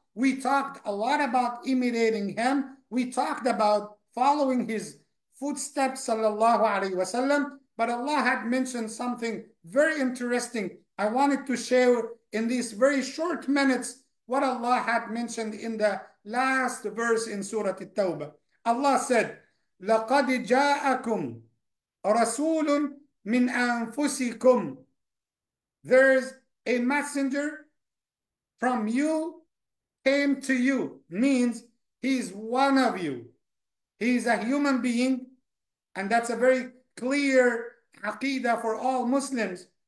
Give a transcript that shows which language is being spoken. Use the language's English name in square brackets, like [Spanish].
[English] We talked a lot about imitating him. We talked about following his footsteps, sallallahu alaihi wasallam. But Allah had mentioned something very interesting. I wanted to share in these very short minutes what Allah had mentioned in the last verse in Surah At-Tawbah. Allah said, [Arabic] لَقَدْ جَاءَكُمْ رَسُولٌ مِنْ أَنفُسِكُمْ. [English] There is a messenger from you, came to you. Means he's one of you. He's a human being. And that's a very clear aqidah for all Muslims.